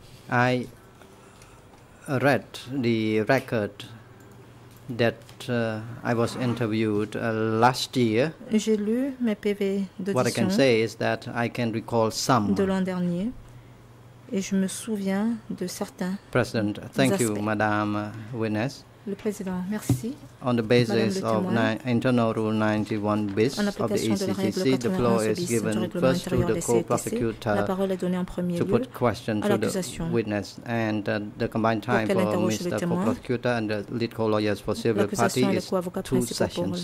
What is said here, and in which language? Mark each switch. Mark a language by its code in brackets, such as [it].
[en] I read the record that I was interviewed last year. [fr] J'ai lu mes PV d'audition. [en] What I can say is that I can recall some. [fr] De l'an dernier, et je me souviens de certains. [en] President, thank you, Madam Witness. [fr] Le président, merci. [en] On the basis of internal rule 91 bis of the ECCC, the floor is given first to the co-prosecutor to put questions to the witness. And the combined time for Mr. Co-prosecutor and the lead co-lawyers for civil party is two sessions.